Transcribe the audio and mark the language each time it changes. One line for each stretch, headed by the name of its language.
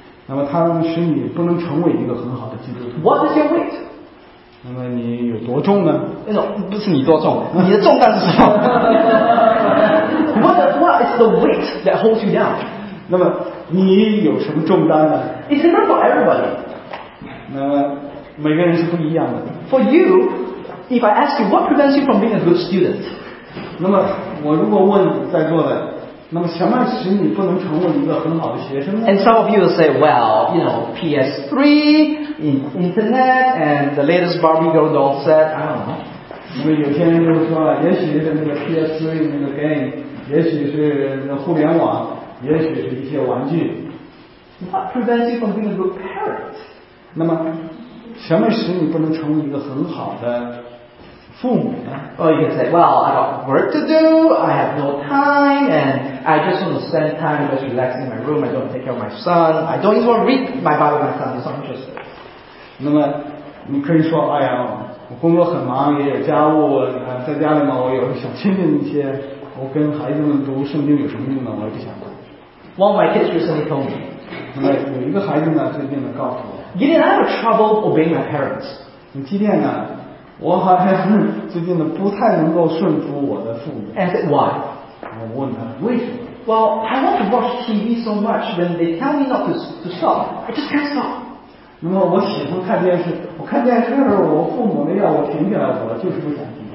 Chinese: 那么它使你不能成为一个很好的基督徒。
English: What is your weight?
Chinese: 那么你有多重呢？那种不是你多重，你的重担是什么？
English: What is the weight that holds you down?
Chinese: 那么你有什么重担呢？
English: It's different for everybody.
Chinese: 那每个人是不一样的。
English: For you, if I ask you what prevents you from being a good student,
Chinese: 那么我如果问在座的，那么什么使你不能成为一个很好的学生呢？
English: And some of you will say, well, you know, PS3. Internet and the latest Barbie girl doll set. I don't know.
Chinese: 因为有些人就说了，也许是那个 PS3 那个 game， 也许是那互联网，也许是一些玩具。
English: What prevents you from being a good parent?
Chinese: 那么，什么使你不能成为一个很好的父母呢？
English: Well, you can say, well, I got work to do. I have no time, and I just want to spend time just relaxing in my room. I don't take care of my son. I don't even read my Bible with my son. It's not interesting.
Chinese: 那么你可以说，哎呀，我工作很忙，也有家务，在家里嘛，我有时想亲近一些，我跟孩子们读圣经有什么用呢？我也不想读。
English: One of my kids recently told me.
Chinese: 那么有一个孩子呢，最近呢告诉我
English: ，Gideon, I have trouble obeying my parents.
Chinese: 基甸呢，我好像最近呢不太能够顺服我的父母。
English: And I said, why?
Chinese: 我问他为什么
English: ？Well, I want to watch TV so much. When they tell me not to stop, I just can't stop.
Chinese: 那么我喜欢看电视，我看电视的时候，我父母的要我停下来，我就是不想停。